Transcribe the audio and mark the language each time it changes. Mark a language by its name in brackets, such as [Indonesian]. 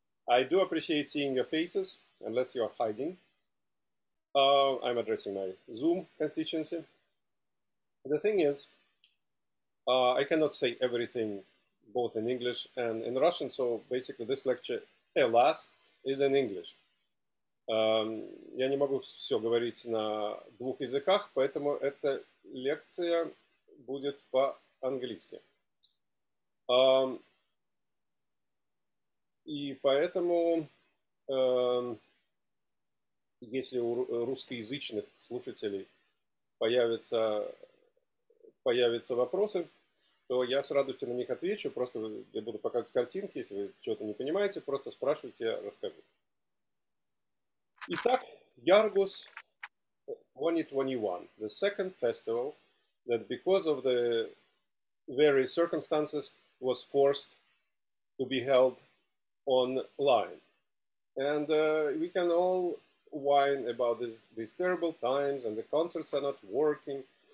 [English] I do appreciate seeing your faces, unless you are hiding. I'm addressing my Zoom constituency. The thing is, I cannot say everything both in English and in Russian, so basically this lecture, alas, is in English. [Russian] Я не могу все говорить на двух языках, поэтому эта лекция будет по-английски. И поэтому, если у русскоязычных слушателей появятся вопросы, то я с радостью на них отвечу, просто я буду показывать картинки, если вы что-то не понимаете, просто спрашивайте, я расскажу. [English] Итак, IARGUS 2021, the second festival that because of the various circumstances was forced to be held online. And we can all whine about these terrible times and the concerts are not working.